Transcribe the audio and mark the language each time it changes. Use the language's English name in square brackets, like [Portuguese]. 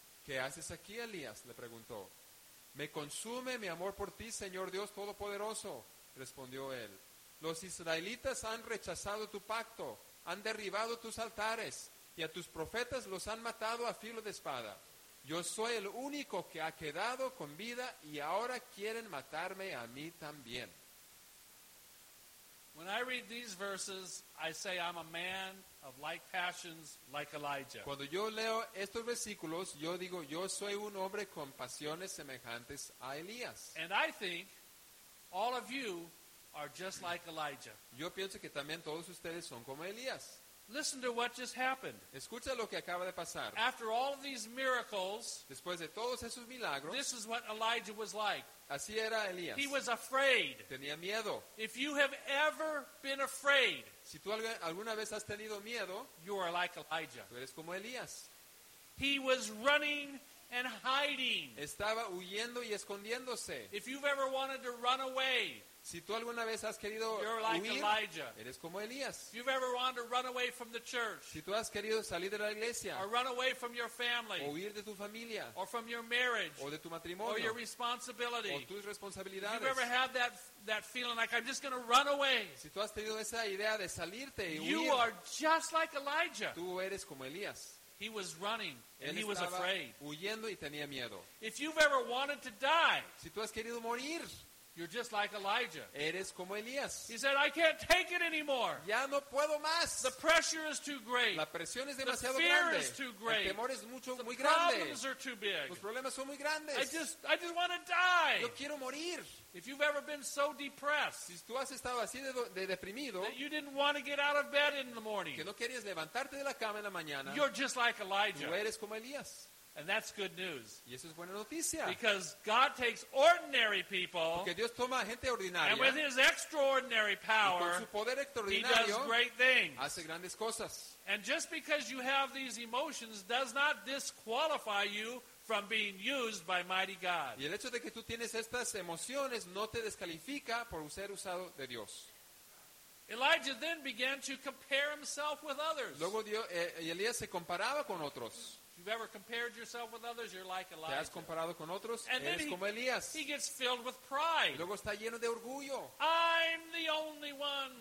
[Spanish] «¿Qué haces aquí, Elías?», le preguntó. «Me consume mi amor por ti, Señor Dios Todopoderoso», respondió él. «Los israelitas han rechazado tu pacto, han derribado tus altares, y a tus profetas los han matado a filo de espada. Yo soy el único que ha quedado con vida, y ahora quieren matarme a mí también». [English] When I read these verses, I say I'm a man of like passions, like Elijah. [Spanish] Cuando yo leo estos versículos, yo digo, yo soy un hombre con pasiones semejantes a Elías. [English] And I think all of you are just like Elijah. [Spanish] Yo pienso que también todos ustedes son como Elías. [English] Listen to what just happened. [Spanish] Escucha lo que acaba de pasar. [English] After all of these miracles, [Spanish] después de todos esos milagros, [English] this is what Elijah was like. [Spanish] Así era Elías. [English] He was afraid. [Spanish] Tenía miedo. [English] If you have ever been afraid, [Spanish] si tú alguna vez has tenido miedo, [English] you are like Elijah. [Spanish] Tú eres como Elías. [English] He was running and hiding. [Spanish] Estaba huyendo y escondiéndose. [English] If you've ever wanted to run away, [Spanish] si tú alguna vez has querido huir, eres como Elías. [English] If you've ever wanted to run away from the church, [Spanish] si tú has querido salir de la iglesia, [English] or run away from your family, [Spanish] o huir de tu familia, [English] or from your marriage, [Spanish] o de tu matrimonio, [English] or your responsibility, [Spanish] o tus responsabilidades, [English] if you've ever had that feeling like I'm just going to run away, [Spanish] si tú has tenido esa idea de salirte y huir, [English] you are just like Elijah. [Spanish] Tú eres como Elías. [English] He was running and [Spanish] él [English] he was afraid. [Spanish] Huyendo y tenía miedo. [English] If you've ever wanted to die, [Spanish] si tú has querido morir, [English] you're just like Elijah. [Spanish] Eres como Elías. [English] He said, I can't take it anymore. [Spanish] Ya no puedo más. [English] The pressure is too great. [Spanish] La presión es demasiado grande. [English] The fear [Spanish] grande. [English] Is too great. [Spanish] El temor es mucho, [English] the [Spanish] muy [English] problems [Spanish] grande. [English] Are too big. [Spanish] Los problemas son muy grandes. [English] I just want to die. [Spanish] Yo quiero morir. [English] If you've ever been so depressed, [Spanish] si tú has estado así de deprimido, [English] that you didn't want to get out of bed in the morning, [Spanish] que no querías levantarte de la cama en la mañana, [English] you're just like Elijah. [Spanish] Tú eres como Elías. [English] And that's good news. [Spanish] Y eso es buena noticia. [English] Because God takes ordinary people, [Spanish] porque Dios toma gente ordinaria, [English] and with his extraordinary power, [Spanish] y con su poder extraordinario, [English] he does great things. [Spanish] Hace grandes cosas. [English] And just because you have these emotions does not disqualify you from being used by mighty God. [Spanish] Y el hecho de que tú tienes estas emociones no te descalifica por ser usado de Dios. [English] Elijah then began to compare himself with others. [Spanish] Luego Elías se comparaba con otros. [English] If you've ever compared yourself with others, you're like Elijah. [Spanish] ¿Te has comparado con otros? [English] And [Spanish] eres [English] then [Spanish] como Elías. [English] He gets filled with pride. [Spanish] Y luego está lleno de orgullo. [English] I'm the only one.